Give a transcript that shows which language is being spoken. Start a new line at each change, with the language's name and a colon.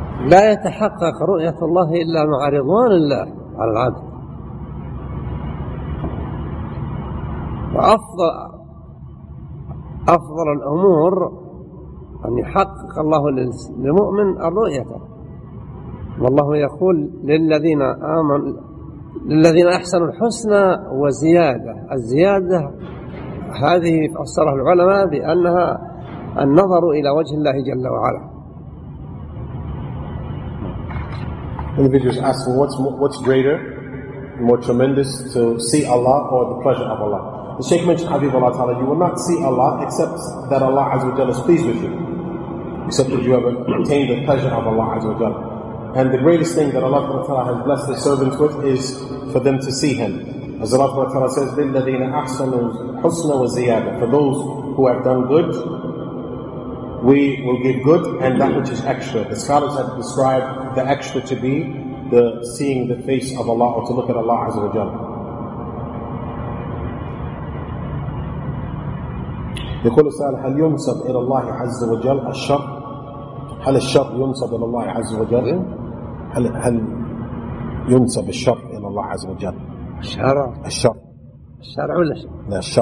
Arabic: لا يتحقق رؤية الله إلا مع رضوان الله على العبد، وأفضل الأمور أن يحقق الله للمؤمن رؤيته، والله يقول للذين آمنوا للذين أحسنوا الحسنى وزيادة. الزيادة هذه فسرها العلماء بأنها النظر إلى وجه الله جل وعلا.
English: Individuals ask, what's greater, more tremendous, to see Allah or the pleasure of Allah? The Shaykh mentioned, Habib Allah Ta'ala, you will not see Allah except that Allah Azza wa Jalla is pleased with you, except that you have attained the pleasure of Allah Azza wa Jalla. And the greatest thing that Allah Ta'ala has blessed His servants with is for them to see Him. As Allah Ta'ala says,
Arabic: لِلَّذِينَ أَحْسَنُوا حُسْنَ وَزِيَادَةً.
English: For those who have done good, we will give good and that which is extra. The scholars have described the extra to be the seeing the face of Allah, or to look at Allah Azza wa Jalla.
Arabic: يقول السائل هل ينسب إلى الله عز وجل الشر؟ هل الشر ينسب إلى الله عز وجل؟ هل ينسب الشر إلى الله عز وجل؟ الشر الشر الشر ولا شر؟ لا الشر